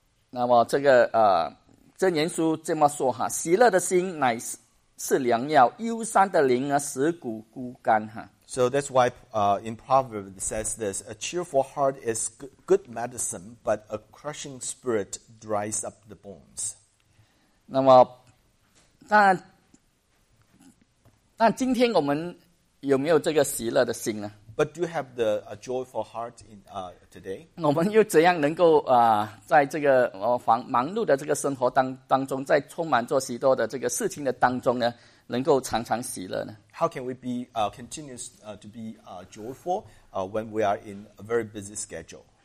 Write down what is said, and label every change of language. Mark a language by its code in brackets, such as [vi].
[zh] 那么这个箴言书这么说哈，喜乐的心乃是良药，忧伤的灵呢，使骨枯干哈。 [en] So that's why in Proverbs it says this, a cheerful heart is good medicine, but a crushing spirit dries up the bones. [zh] 那么但今天我们有没有这个喜乐的心呢？ [en] But do you have the joyful heart in today? [zh] 我们又怎样能够在这个忙碌的这个生活当中，在充满着许多的这个事情的当中呢，能够常常喜乐呢？ [en] How can we be continuous to be joyful when we are in a very busy schedule?